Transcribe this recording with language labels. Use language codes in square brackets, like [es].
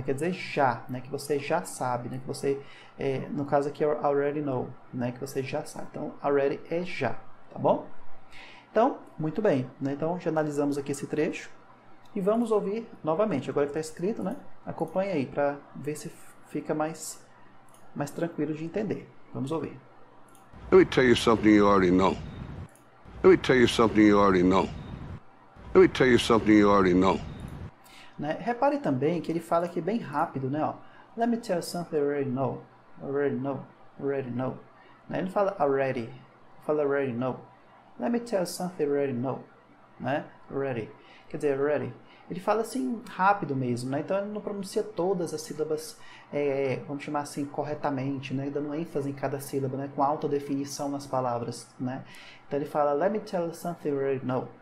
[pt] Quer dizer já, né? Que você já sabe, né? Que você, no caso aqui, [en] already know, [pt] né? Que você já sabe. Então, already é já, tá bom? Então, muito bem, né? Então, já analisamos aqui esse trecho e vamos ouvir novamente. Agora que está escrito, né? Acompanha aí para ver se fica mais tranquilo de entender. Vamos ouvir. [en] Let me tell you something you already know. Let me tell you something you already know. Let me tell you something you already know. [pt] Né? Repare também que ele fala aqui bem rápido, né? Ó, [en] let me tell you something you already know. Already know. Already know. [pt] Né? Ele fala already. Fala [en] already know. Let me tell you something you already know. [pt] Né? Already. Quer dizer, already. Ele fala assim rápido mesmo, né? Então ele não pronuncia todas as sílabas, vamos chamar assim, corretamente, né? Dando ênfase em cada sílaba, né? Com alta definição nas palavras, né? Então ele fala, [en] let me tell you something you already know.